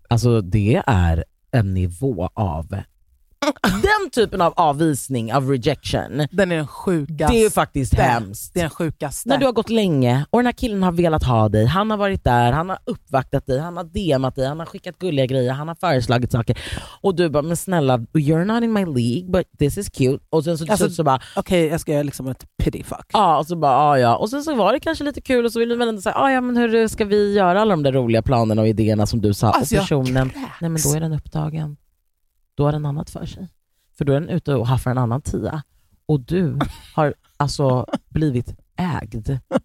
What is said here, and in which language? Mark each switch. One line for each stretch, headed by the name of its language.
Swedish: Alltså det är en nivå av den typen av avvisning, av rejection. Den är den sjukaste. Det är ju faktiskt hemskt. Det är den sjukaste. När du har gått länge och den här killen har velat ha dig. Han har varit där, han har uppvaktat dig, han har DMat dig, han har skickat gulliga grejer, han har föreslagit saker. Och du bara, men snälla,
English: you're not in my league, but this is cute.
Swedish: Och sen så, alltså, så bara, okej, okay, jag ska göra liksom ett pity fuck. Ja, och så bara, ja. Och sen så var det kanske lite kul och så vill du väl ändå säga, ja, men hur ska vi göra alla de där roliga planerna och idéerna som du sa? Alltså, och personen, nej, men då är den upptagen. Då har den annat för sig. För då är den ute och haffar en annan tia. Och du har alltså blivit ägd.